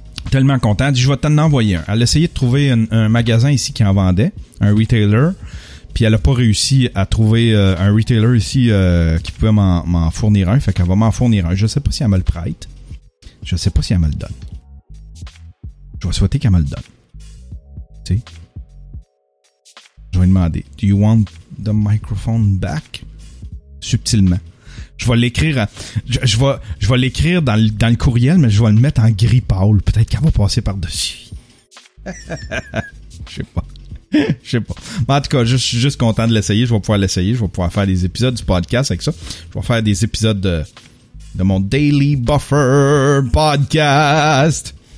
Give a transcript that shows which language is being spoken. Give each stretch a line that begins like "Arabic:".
French: Tellement content. Elle dit, je vais t'en envoyer un. Elle a essayé de trouver un magasin ici qui en vendait, un retailer. Puis elle a pas réussi à trouver un retailer ici qui pouvait m'en fournir un. Fait qu'elle va m'en fournir un. Je sais pas si elle me le prête. Je sais pas si elle me le donne. Je vais souhaiter qu'elle me le donne. Tu sais? Je vais demander.
English: Do you want the microphone back?
French: Subtilement. Je vais l'écrire. Je vais l'écrire dans le courriel, mais je vais le mettre en gris pâle. Peut-être qu'elle va passer par-dessus. Je sais pas. Je sais pas. Mais en tout cas, je suis juste content de l'essayer. Je vais pouvoir l'essayer. Je vais pouvoir faire des épisodes du podcast avec ça. Je vais faire des épisodes de mon Daily Buffer podcast.